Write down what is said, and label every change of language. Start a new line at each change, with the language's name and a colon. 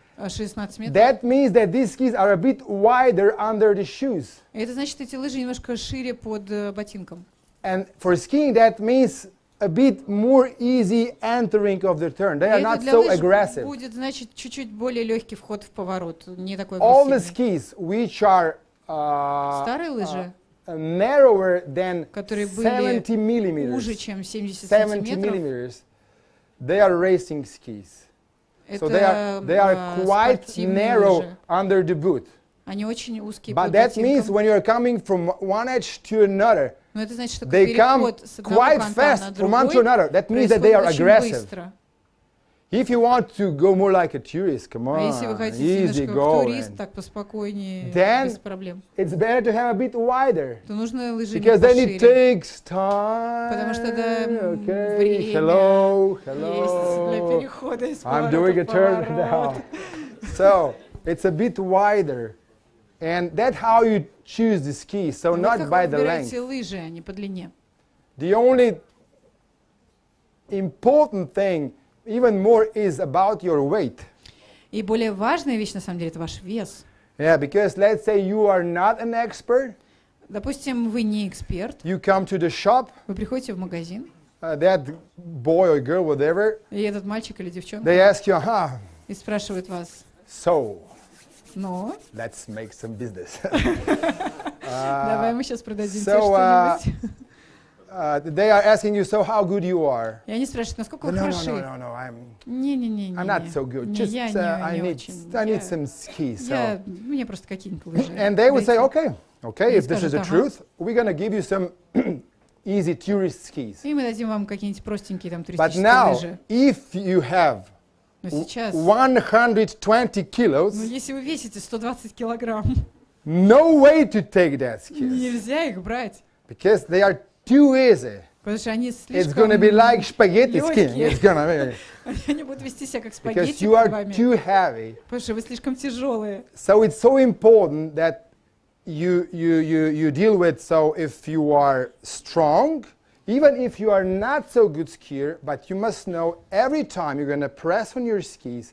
English: That means that these skis are a bit wider under the shoes.
Russian: Это значит, эти лыжи немножко шире под ботинком.
English: And for skiing, that means a bit more easy entering of the turn. They are not so aggressive.
Russian: Будет значит чуть-чуть более легкий вход в поворот, не такой.
English: All the skis which are
Russian: старые лыжи,
English: narrower than 70 millimeters,
Russian: уже чем 70 сантиметров,
English: they are racing skis. So they are quite narrow
Russian: лыжи
English: under the boot.
Russian: Они очень узкие под ботинком.
English: But that means when you are coming from one edge to another,
Russian: но это значит, что
English: they come quite fast
Russian: на другой,
English: from one to another. That means that they are aggressive.
Russian: Быстро.
English: If you want to go more like a tourist, come on, easy going. Then it's better to have a bit wider. Because then it takes time. Okay, hello, hello. I'm doing a turn now. So it's a bit wider. And that's how you choose the ski. So not by the length. The only important thing even more is about your weight.
Russian: И более важная вещь, на самом деле, это ваш вес.
English: Yeah, because let's say you are not an expert.
Russian: Допустим, вы не эксперт.
English: You come to the shop.
Russian: Вы приходите в магазин.
English: That boy or girl, whatever.
Russian: И этот мальчик или девчонка.
English: They ask you, huh?
Russian: И спрашивают вас.
English: So.
Russian: Но.
English: Let's make some business.
Russian: Давай мы сейчас продадим тебе что-нибудь.
English: They are asking you, so how good you are.
Russian: И они спрашивают, насколько вы хороши.
English: No, I'm.
Russian: Не.
English: I'm not so good. I need some ski. So.
Russian: Мне просто какие-нибудь лыжи.
English: And they would say, okay, if this is the truth, we're gonna give you some easy tourist skis.
Russian: И мы дадим вам какие-нибудь простенькие туристические лыжи.
English: But now, if you have 120 kilos.
Russian: Но если вы весите 120 килограмм.
English: No way to take that ski.
Russian: Нельзя их брать.
English: Because they are too easy. It's going to be like spaghetti skin. It's going to be.
Russian: Они будут вести себя как спагетти.
English: Because you are too heavy.
Russian: Потому что вы слишком тяжелые.
English: So it's so important that you deal with. So if you are strong, even if you are not so good skier, but you must know every time you're going to press on your skis.